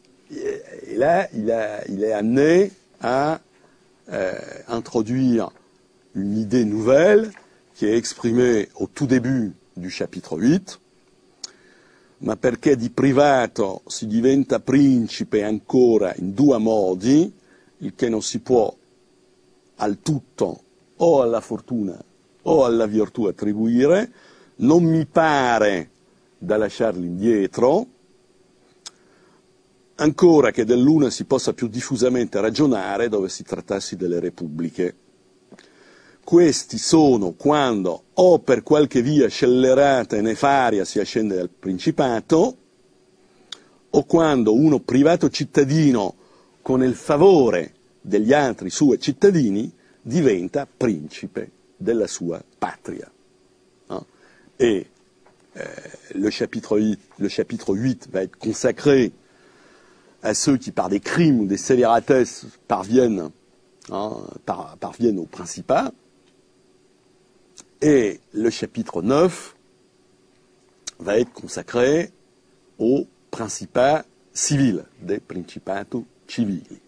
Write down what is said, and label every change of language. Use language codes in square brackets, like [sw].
[fr] Et là, il est amené à introduire une idée nouvelle qui est exprimée au tout début du chapitre 8. [it] Ma perché di privato si diventa principe ancora in due modi, il che non si può al tutto o alla fortuna o alla virtù attribuire, non mi pare da lasciarli indietro. Ancora che dell'una si possa più diffusamente ragionare dove si trattassi delle repubbliche. Questi sono quando o per qualche via scellerata e nefaria si ascende dal principato, o quando uno privato cittadino con il favore degli altri suoi cittadini diventa principe della sua patria. [fr] E le chapitre 8 va être consacré à ceux qui, par des crimes ou des scélératesses, parviennent au principat. Et le chapitre 9 va être consacré au principat civil, des principato civili.